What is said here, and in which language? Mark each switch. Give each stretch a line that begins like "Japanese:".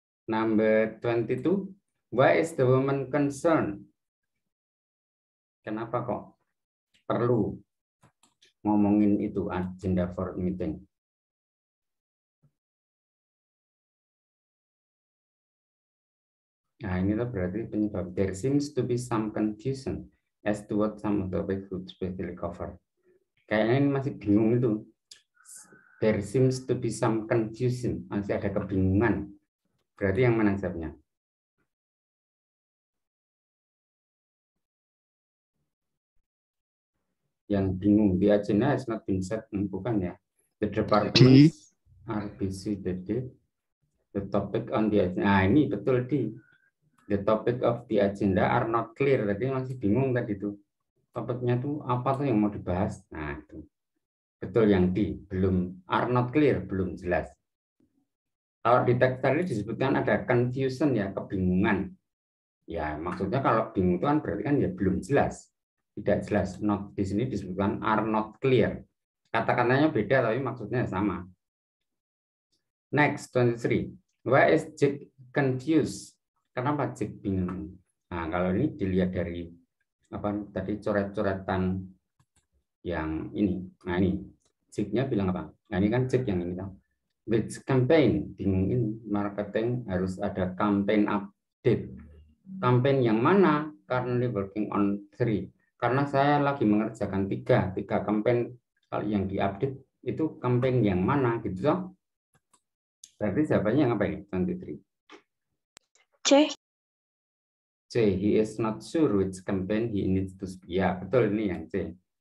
English: Number 22. Why is the woman concerned?
Indonesian: Kenapa kok perlu ngomongin itu
English: agenda for meeting?
Indonesian: Nah, ini tuh berarti penyebab.
English: There seems to be some confusion as to what some of the topics would specifically cover.
Indonesian: Kayaknya ini masih bingung itu.
English: There seems to be some confusion.
Indonesian: Masih ada kebingungan. Berarti yang mana jawabnya? Yang bingung di
English: agenda is not been set,
Indonesian: bukan ya?
English: The departments are busy today. The topic on the agenda,
Indonesian: nah ini betul di.
English: The topic of the agenda are not clear.
Indonesian: Tadi masih bingung tadi tuh. Topiknya tuh apa tuh yang mau dibahas? Nah itu betul yang di. Belum
English: are not clear,
Indonesian: belum jelas. Kalau di teks tadi disebutkan ada confusion ya, kebingungan. Ya maksudnya kalau bingung itu kan berarti kan ya belum jelas. Tidak jelas, not di sini disebutkan
English: are not clear.
Indonesian: Kata-katanya beda tapi maksudnya sama.
English: Next, 23. Why is Jake confused?
Indonesian: Kenapa Jake bingung? Nah, kalau ini dilihat dari apa tadi coret-coretan yang ini. Nah, ini. Jake-nya bilang apa? Nah, ini kan Jake yang ini.
English: Which campaign?
Indonesian: Bingung ini. Marketing harus ada campaign update. Campaign yang mana?
English: Currently working on 3.
Indonesian: Karena saya lagi mengerjakan tiga campaign yang diupdate, itu campaign yang mana gitu toh? Berarti jawabannya apa ini?
English: 23. C. C. He is not sure which campaign he needs to speak.
Indonesian: Ya, betul ini yang C.